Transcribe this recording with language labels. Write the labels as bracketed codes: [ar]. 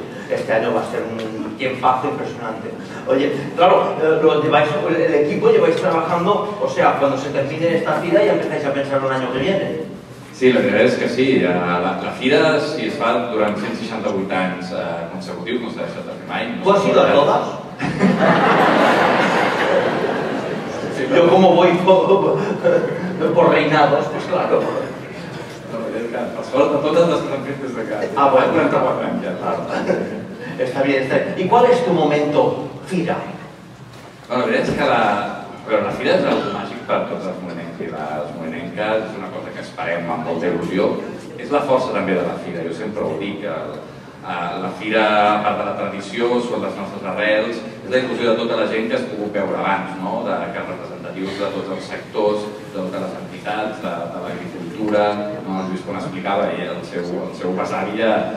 [es] este año va a ser un tiempazo impresionante. Oye, claro, el equipo lleváis trabajando, o sea, cuando se termine esta fira ya empezáis a pensar el año que viene. [ca] Sí, la veritat és que sí. La fira, si es fa durant 168 anys consecutius, no s'ha deixat de fer mai. [es] Tu has ido a todas. Yo como voy por reinados, pues claro. [ca] Per sort, a totes les que han fet des de casa. [es] Ah, bueno. [ca] 34 anys, ja. Està bé, està bé. [es] ¿Y cuál es tu momento fira? [ca] Bueno, la veritat és que la fira és algo màgic per tots els moviments i les moviments, és una cosa que esperem amb molta il·lusió. És la força també de la fira, jo sempre ho dic. La fira, a part de la tradició, són les nostres arrels, és la il·lusió de tota la gent que has pogut veure abans, no?, que representatius de tots els sectors, de totes les entitats, de l'agricultura, no?, el Lluís quan explicava, i el seu besavi ja